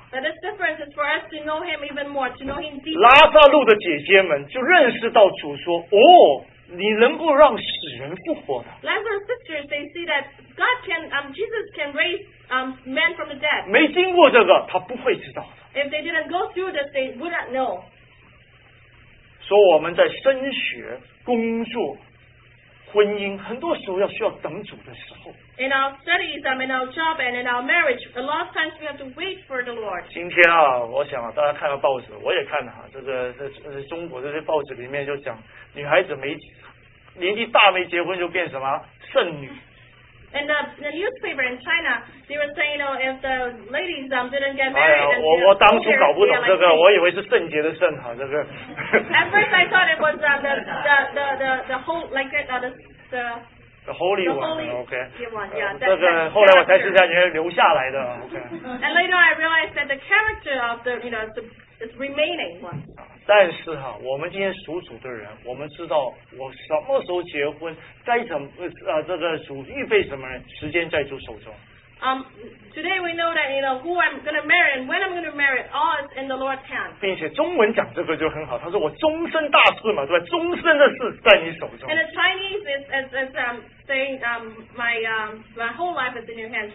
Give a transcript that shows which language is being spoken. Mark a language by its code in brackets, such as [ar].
[en] But this difference is for us to know him even more, to know him deeper. [zh] 拉萨路的姐姐们就认识到主说，哦，你能够让死人复活的。 [en] Lazarus sisters, they see that God can, Jesus can raise man from the dead. [zh] 没经过这个，他不会知道的。 [en] If they didn't go through this, they would not know. [zh] 说我们在升学、工作、婚姻，很多时候要需要等主的时候。 [en] In our studies, in our job, and in our marriage, a lot of times we have to wait for the Lord. [zh] 今天啊，我想啊，大家看到报纸，我也看了哈，这个在中国这些报纸里面就讲，女孩子没年纪大没结婚就变什么剩女。 [en] And the newspaper in China, they were saying, you know, if the ladies didn't get married, [zh] 我当初搞不懂这个，我以为是圣洁的圣哈，这个。 [en] At first, I thought it was the whole like it, the holy one. Okay. [zh] 这个后来我才知道，原来留下来的。 [en] And later, I realized that the character of the, you know, the remaining one. [zh] 但是哈，我们今天属主的人，我们知道我什么时候结婚，该怎么这个主预备什么人，时间在主手中。 [en] Today we know that you know who I'm going to marry and when I'm going to marry, all is in the Lord's hand. [zh] 并且中文讲这个就很好，他说我终身大事嘛，对吧？终身的事在你手中。 [en] And the Chinese is saying my whole life is in your hands.